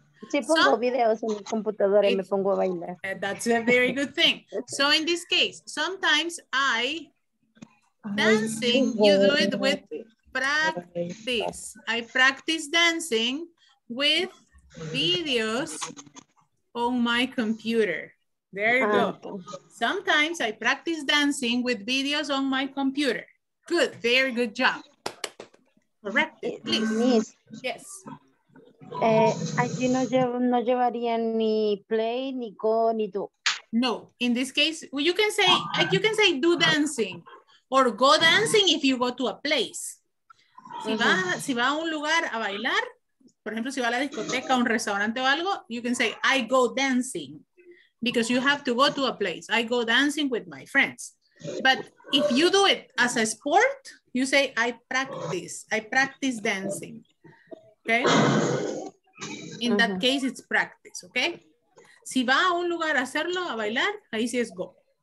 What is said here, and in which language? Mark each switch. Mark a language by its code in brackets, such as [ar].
[es] Si pongo videos en mi computadora y me pongo a bailar. [en] That's a very good thing. So in this case, sometimes I dancing, you do it with practice. I practice dancing with videos on my computer. There you go. Sometimes I practice dancing with videos on my computer. Good, very good job. Correct it, please. Yes. [es] Aquí no llevaría ni play, ni go, ni do. [en] No, in this case, you can say do dancing or go dancing if you go to a place. [es] Si va a un lugar a bailar, por ejemplo, si va a la discoteca, un restaurante o algo, [en] you can say I go dancing because you have to go to a place. I go dancing with my friends. But if you do it as a sport, you say I practice dancing. Okay. In that case, it's practice, okay? [es] Si va a un lugar a hacerlo, a bailar, ahí sí es go.